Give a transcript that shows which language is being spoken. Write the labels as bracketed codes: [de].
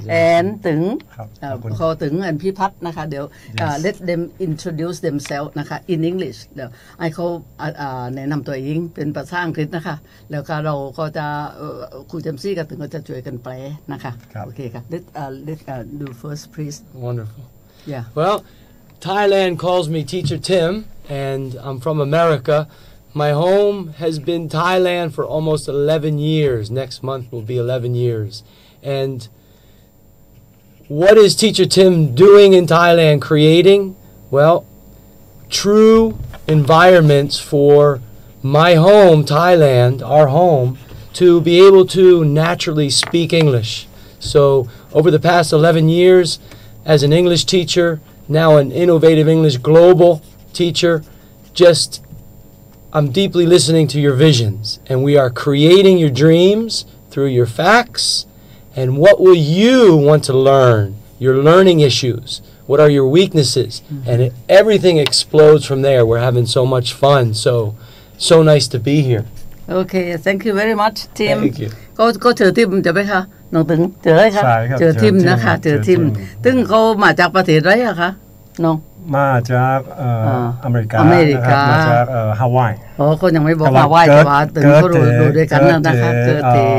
[th] and ถึงขอถึงอันพิพัฒน์นะคะเดี๋ยว [en] let them introduce themselves [th] นะคะ [en] in English [th] เดี๋ยวให้เขาแนะนำตัวเองเป็นภาษาอังกฤษนะคะแล้วก็เราก็จะครูเจมซี่ก็ถึงก็จะช่วยกันแปลนะคะโอเคค่ะ [en] let's do first please wonderful yeah wellThailand calls me Teacher Tim, and I'm from America. My home has been Thailand for almost 11 years. Next month will be 11 years. And what is Teacher Tim doing in Thailand, creating? Well, true environments for my home, Thailand, our home, to be able to naturally speak English. So over the past 11 years, as an English teacher,Now an innovative English global teacher, just I'm deeply listening to your visions and we are creating your dreams through your facts and what will you want to learn, your learning issues, what are your weaknesses, and everything explodes from there. We're having so much fun, so nice to be here. Okay, thank you very much, Tim. Thank you. Go to Tim, right? [th] น้องตึงเจอเลยครับเจอทิมนะคะเจอทิมตึงเขามาจากประเทศไรคะน้อง มาจากอเมริกา อเมริกาม าจากฮาวาย อ๋อคนยังไม่บอกฮาวายแต่ว่าตึงก็รู้ดูด้วยกันนะคะเจอเท